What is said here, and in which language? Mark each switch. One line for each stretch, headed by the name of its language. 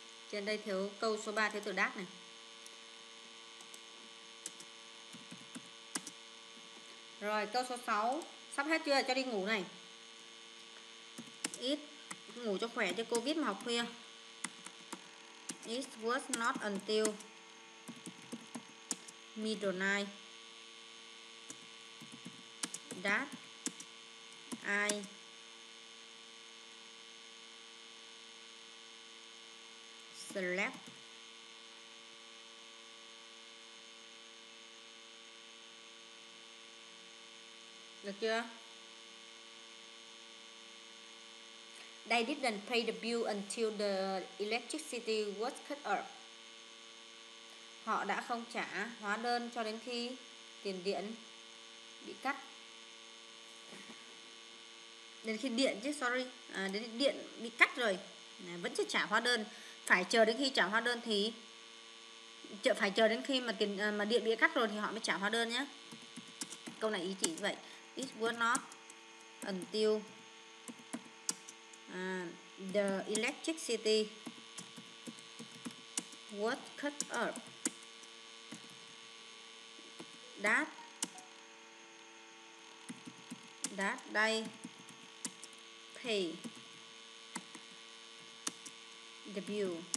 Vietnamese: Trên đây thiếu câu số 3, thiếu từ đáp này. Rồi câu số 6 sắp hết chưa, cho đi ngủ này. It ngủ cho khỏe chứ Covid mà học khuya.
English: It was not until midnight that I select
Vietnamese: được chưa?
English: They didn't pay the bill until the electricity was cut off.
Vietnamese: Họ đã không trả hóa đơn cho đến khi tiền điện bị cắt. Đến khi điện chứ, sorry, à, đến khi điện bị cắt rồi, à, vẫn chưa trả hóa đơn. Phải chờ đến khi trả hóa đơn thì phải chờ đến khi mà tiền mà điện bị cắt rồi thì họ mới trả hóa đơn nhé. Câu này ý chỉ vậy.
English: It was not until the electricity was cut off that they pay the bill.